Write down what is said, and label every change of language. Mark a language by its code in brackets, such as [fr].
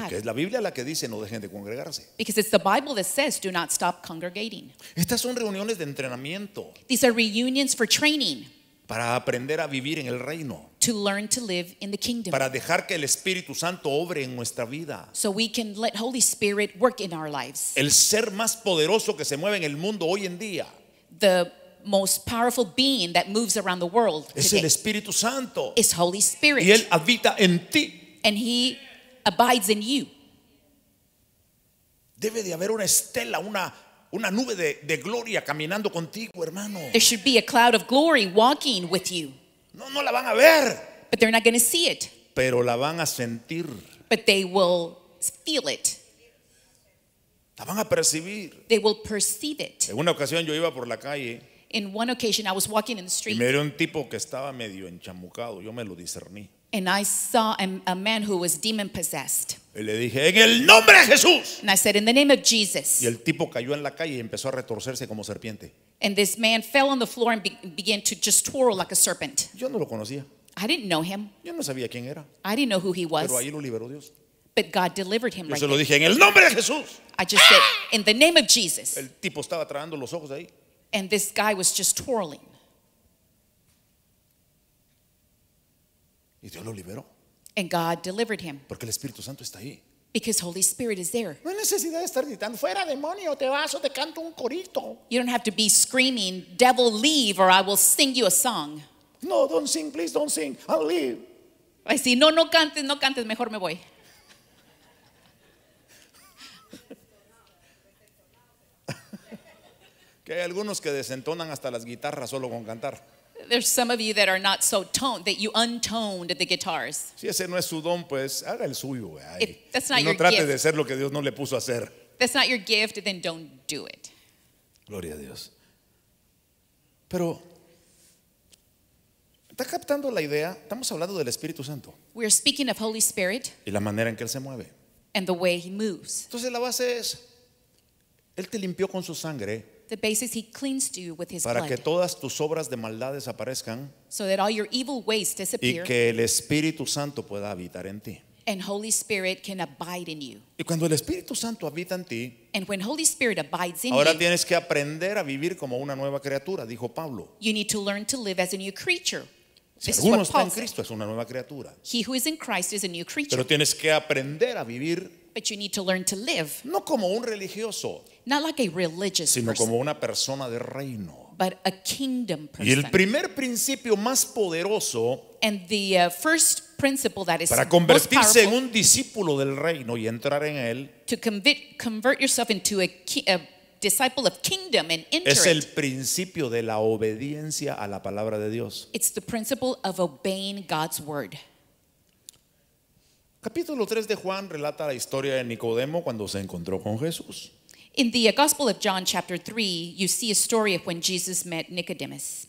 [es] Porque es la Biblia la que dice no dejen de congregarse. [en] Because it's the Bible that says do not stop congregating. [es] Estas son reuniones de entrenamiento. [en] These are reunions for training. [es] Para aprender a vivir en el reino. [en] To learn to live in the kingdom. [es] Para dejar que el Espíritu Santo obre en nuestra vida. [en] So we can let Holy Spirit work in our lives. [es] El ser más poderoso que se mueve en el mundo hoy en día. [en] The most powerful being that moves around the world [es] es [en] today. [es] El Espíritu Santo. [en] Is Holy Spirit. [es] Y él habita en ti. [en] And he abides in you. [es] Debe de haber una estela, una nube de gloria caminando contigo, hermano. [en] There should be a cloud of glory walking with you. [es] No la van a ver. [en] But they're not going to see it. [es] Pero la van a sentir. [en] But they will feel it. [es] La van a percibir. [en] They will perceive it. [es] En una ocasión yo iba por la calle. [en] In one occasion I was walking in the street. [es] Y me dio un tipo que estaba medio enchamucado. Yo me lo discerní. [en] And I saw a man who was demon possessed. [es] Y le dije, en el nombre de Jesús. [en] And I said, in the name of Jesus. [es] Y el tipo cayó en la calle y empezó a retorcerse como serpiente. [en] And this man fell on the floor and began to just twirl like a serpent. [es] Yo no lo conocía. [en] I didn't know him. [es] Yo no sabía quién era. [en] I didn't know who he was. [es] Pero ahí lo liberó Dios. [en] But God delivered him [es] yo [en] right [es] se lo dije, en el nombre de Jesús. [en] I just said, in the name of Jesus. [es] El tipo estaba tragando los ojos ahí. [en] And this guy was just twirling. [es] Y Dios lo liberó. [en] And God delivered him. [es] Porque el Espíritu Santo está ahí. [en] Because Holy Spirit is there. [es] No hay necesidad de estar gritando, fuera demonio, te vas o te canto un corito. [en] You don't have to be screaming, devil leave or I will sing you a song. No, don't sing, please don't sing, I'll leave. [es] Ay, sí, no, no cantes, no cantes, mejor me voy. Que hay algunos que desentonan hasta las guitarras solo con cantar. [en] There's some of you that are not so toned, that you untoned the guitars. [es] Si ese no es su don, pues haga el suyo. Ay, [en] that's not [es] y no [en] your [es] trate [en] gift. [es] De hacer lo que Dios no le puso a hacer. [en] That's not your gift, then don't do it. [es] Gloria a Dios. Pero, ¿está captando la idea? Estamos hablando del Espíritu Santo. [en] We're speaking of Holy Spirit. [es] Y la manera en que Él se mueve. [en] And the way He moves. [es] Entonces la base es, Él te limpió con su sangre. [en] The basis He cleans you with His [es] para [en] blood. [es] Que todas tus obras de maldad desaparezcan, [en] so that all your evil ways disappear. [es] Y que el Espíritu Santo pueda habitar en ti. [en] And Holy Spirit can abide in you. [es] Y cuando el Espíritu Santo habita en ti, [en] and when Holy Spirit abides in [es] ahora [en] you, [es] tienes que aprender a vivir como una nueva criatura, dijo Pablo. [en] You need to learn to live as a new creature. [es] Si alguno está en Cristo es una nueva criatura. [en] He who is in Christ is a new creature. [es] Pero tienes que aprender a vivir. [en] But you need to learn to live. [es] No como un religioso. [en] Not like a religious [es] sino [en] person, [es] como una persona de reino. [en] But a kingdom person. [es] Y el primer principio más poderoso [en] and the first principle that is [es] para convertirse [en] most powerful, [es] en un discípulo del reino y entrar en él [en] to convert yourself into a disciple of kingdom and enter [es] es el principio de la obediencia a la palabra de Dios. [en] It's the principle of obeying God's word. [es] Capítulo 3 de Juan relata la historia de Nicodemo cuando se encontró con Jesús. [en] In the Gospel of John, chapter 3, you see a story of when Jesus met Nicodemus.